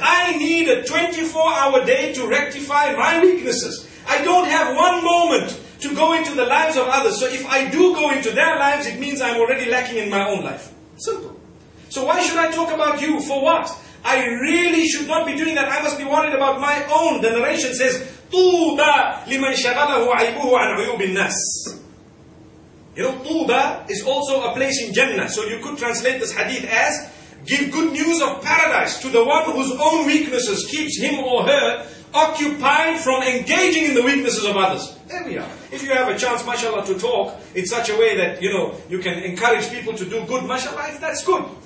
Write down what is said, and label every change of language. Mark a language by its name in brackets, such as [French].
[English] I need a 24-hour day to rectify my weaknesses. I don't have one moment to go into the lives of others. So if I do go into their lives, it means I'm already lacking in my own life. Simple. So why should I talk about you? For what? I really should not be doing that. I must be worried about my own. [Arabic] The narration says, طُوبَ لِمَنْ شَغَلَهُ عَيْبُهُ عَنْ عُيُوبِ النَّاسِ. [English] You know, طُوبَ is also a place in Jannah. So you could translate this hadith as, give good news of paradise to the one whose own weaknesses keeps him or her occupied from engaging in the weaknesses of others. There we are. If you have a chance, mashallah, to talk in such a way that, you know, you can encourage people to do good, mashallah, if that's good.